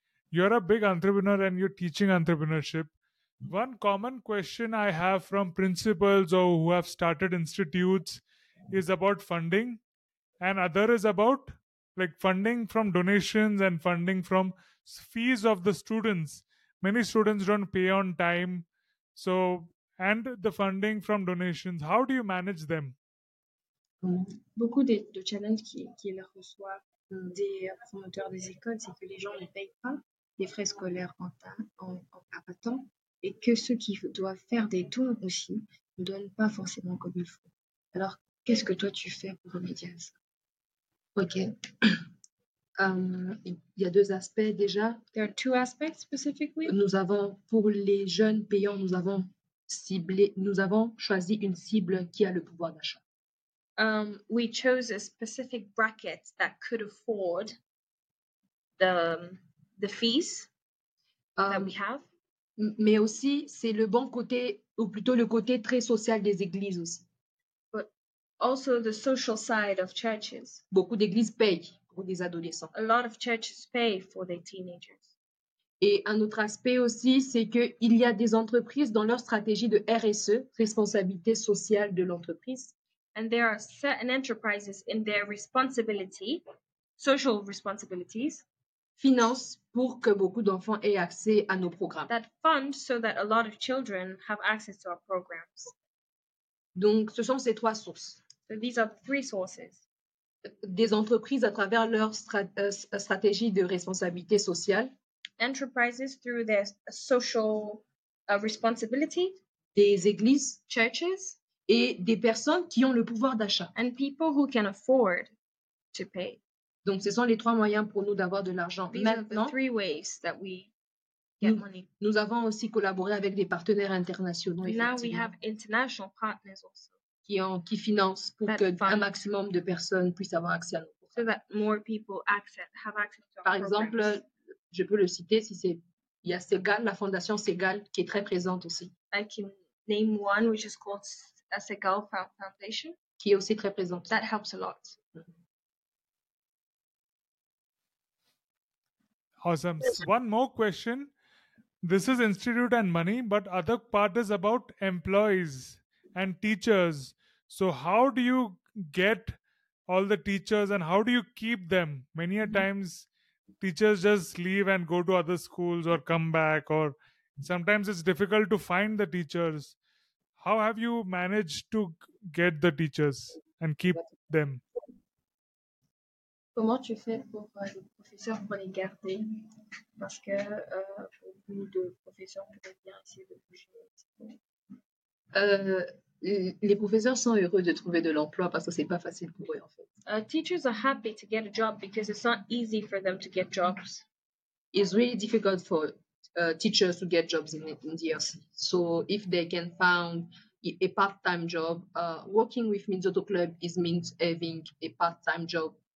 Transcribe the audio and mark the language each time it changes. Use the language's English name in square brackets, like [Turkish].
[English] You're a big entrepreneur and you're teaching entrepreneurship. One common question I have from principals or who have started institutes is about funding, and other is about like funding from donations and funding from fees of the students. Many students don't pay on time, so and the funding from donations. How do you manage them? [French] Beaucoup de challenges qui reçoivent des promoteurs des écoles, c'est que les gens ne payent pas les frais scolaires en temps. Et que ceux qui doivent faire des dons aussi ne donnent pas forcément comme il faut. Alors, qu'est-ce que toi, tu fais pour remédier à ça? OK. Y a deux aspects déjà. [English] There are two aspects specifically. [French] Nous avons, pour les jeunes payants, nous avons choisi une cible qui a le pouvoir d'achat. [English] We chose a specific bracket that could afford the fees that we have. [French] Mais aussi, c'est le bon côté, ou plutôt le côté très social des églises aussi. [English] But also the social side of churches. [French] Beaucoup d'églises payent pour des adolescents. [English] A lot of churches pay for their teenagers. [French] Et un autre aspect aussi, c'est qu'il y a des entreprises dans leur stratégie de RSE, responsabilité sociale de l'entreprise. [English] And there are certain enterprises in their responsibility, social responsibilities, [French] finance pour que beaucoup d'enfants aient accès à nos programmes. [English] That fund so that a lot of children have access to our programs. [French] Donc, ce sont ces trois sources. [English] So these are the three sources. [French] Des entreprises à travers leur stratégie de responsabilité sociale. [English] Enterprises through their social responsibility. [French] Des églises. [English] Churches. [French] Et des personnes qui ont le pouvoir d'achat. [English] And people who can afford to pay. [French] Donc, ce sont les trois moyens pour nous d'avoir de l'argent. [English] These [French] maintenant, [English] are the three ways that we get [French] nous, [English] money. [French] Nous avons aussi collaboré avec des partenaires internationaux. [English] Now we have international partners also. [French] Qui financent pour que fund. Un maximum de personnes puissent avoir accès à nos programmes. [English] So that more people access, have access to our [French] Par exemple, [English] programs. [French] Je peux le citer si c'est... Il y a Segal, la fondation Segal, qui est très présente aussi. [English] I can name one, which is called the Segal Foundation. [French] Qui est aussi très présente. [English] That helps a lot. Awesome. One more question. This is institute and money, but other part is about employees and teachers. So how do you get all the teachers and how do you keep them? Many a times teachers just leave and go to other schools or come back, or sometimes it's difficult to find the teachers. How have you managed to get the teachers and keep them? [French] Comment tu fais pour les professeurs pour les garder? Parce que beaucoup de professeurs pourraient bien essayer de bouger. Les professeurs sont heureux de trouver de l'emploi parce que c'est pas facile pour eux en fait. [English] Teachers are happy to get a job because it's not easy for them to get jobs. It's really difficult for teachers to get jobs in DRC. So if they can find a part-time job, working with Minzoto Club is means having a part-time job.